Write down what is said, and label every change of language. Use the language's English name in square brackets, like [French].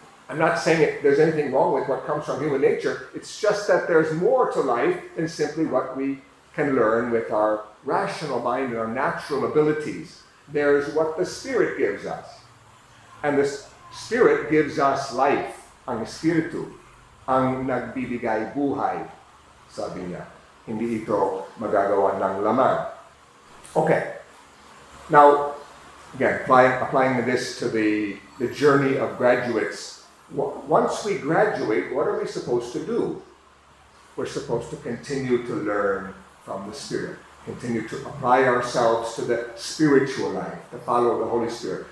[English] I'm not saying there's anything wrong with what comes from human nature. It's just that there's more to life than simply what we can learn with our rational mind and our natural abilities. There's what the Spirit gives us. And the Spirit gives us life. [Filipino] Ang Espiritu ang nagbibigay buhay, sabi niya. Hindi ito magagawa ng lamang. [English] Okay. Now, again, applying this to the journey of graduates. Once we graduate, what are we supposed to do? We're supposed to continue to learn from the Spirit. Continue to apply ourselves to the spiritual life, to follow the Holy Spirit.